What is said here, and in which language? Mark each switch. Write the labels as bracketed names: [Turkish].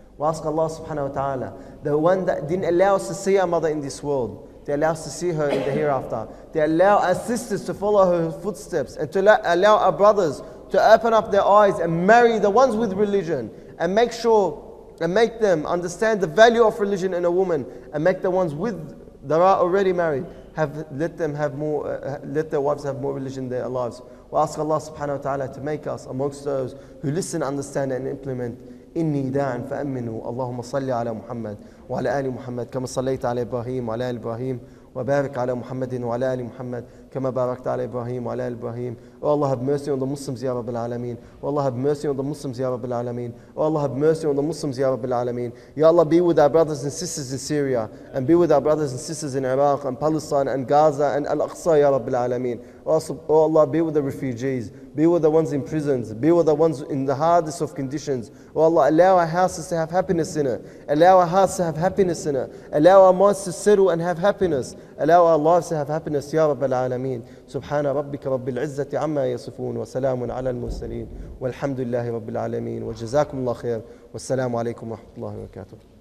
[English] We ask Allah subhanahu wa ta'ala, the one that didn't allow us to see our mother in this world, to allow us to see her in the hereafter, to allow our sisters to follow her footsteps, and to allow our brothers to open up their eyes and marry the ones with religion, and make sure and make them understand the value of religion in a woman, and make the ones with that are already married, let their wives have more religion in their lives. We ask Allah subhanahu wa ta'ala to make us amongst those who listen, understand, and implement. [Arabic] إني داع فأمنه اللهم صل على محمد وعلى آل محمد كما صليت على إبراهيم وعلى آل إبراهيم وبارك على محمد وعلى آل محمد كما باركت على إبراهيم وعلى آل إبراهيم. [English] Oh Allah have mercy on the Muslims ya Rabbil Alameen. Oh Allah have mercy on the Muslims ya Rabbil Alameen. Oh Allah have mercy on the Muslims ya Rabbil Alameen. Ya Allah be with our brothers and sisters in Syria and be with our brothers and sisters in Iraq and Palestine and Gaza and Al-Aqsa ya Rabbil Alameen. Oh Allah be with the refugees. Be with the ones in prisons. Be with the ones in the hardest of conditions. Oh Allah, allow our houses to have happiness in it. Allow our hearts to have happiness in it. Allow our minds to settle and have happiness. Allow our lives to have happiness ya Rabbil Alameen. [Arabic] سبحان ربك رب العزة عما يصفون وسلام على المرسلين والحمد لله رب العالمين وجزاكم الله خير والسلام عليكم ورحمة الله وبركاته